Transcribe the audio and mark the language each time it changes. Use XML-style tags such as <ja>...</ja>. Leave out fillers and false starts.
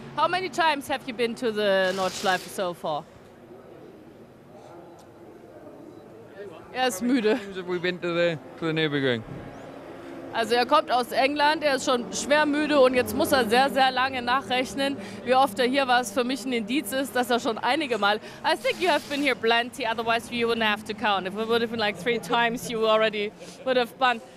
<en>How many times have you been to the Nordschleife so far? Yes,</en> <de>müde.</de> <en>How many times have we been to the Nürburgring?</en> <de>Also er kommt aus England, er ist schon schwer müde und jetzt muss er sehr, sehr lange nachrechnen, wie oft er hier war. Es für mich ein Indiz ist, dass er schon einige Mal.</de> <en>I think you have been here plenty, otherwise you wouldn't have to count. If it would have been like three times, you already would have been.</en>